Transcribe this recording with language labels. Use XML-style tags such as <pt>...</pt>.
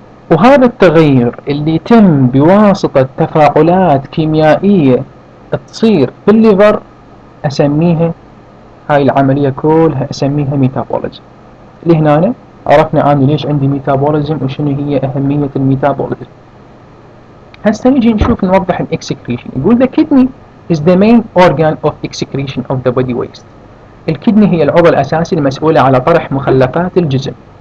<ar>وهذا التغير اللي يتم بواسطة تفاعلات كيميائية تصير في الليفر أسميها، هاي العملية كلها أسميها ميتابوليزم. لهنا عرفنا أنا ليش عندي ميتابوليزم وشنو هي أهمية الميتابوليزم. هسه نجي نشوف نوضح الإكسكريشن. يقول</ar> <en>the kidney is the main organ of excretion of the body waste.</en> <ar>الكدني هي العضو الأساسي المسؤول على طرح مخلفات الجسم.</ar>